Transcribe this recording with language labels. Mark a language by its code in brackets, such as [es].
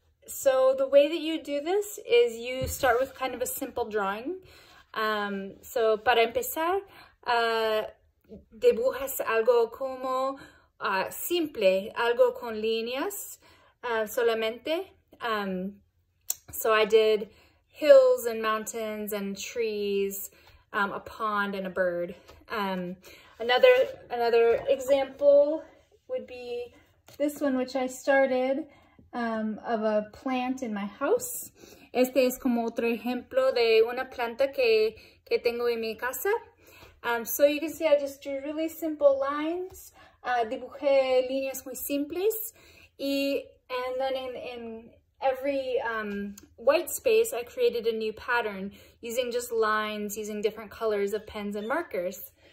[en] So the way that you do this is you start with kind of a simple drawing. [es] So para empezar, dibujas algo como simple, algo con líneas solamente. [en] So I did hills and mountains and trees, a pond and a bird. Another example would be this one, which I started. Of a plant in my house. [es] Este es como otro ejemplo de una planta que tengo en mi casa. [en] So you can see I just drew really simple lines. [es] Dibujé líneas muy simples. [en] And then in every white space, I created a new pattern using just lines, using different colors of pens and markers.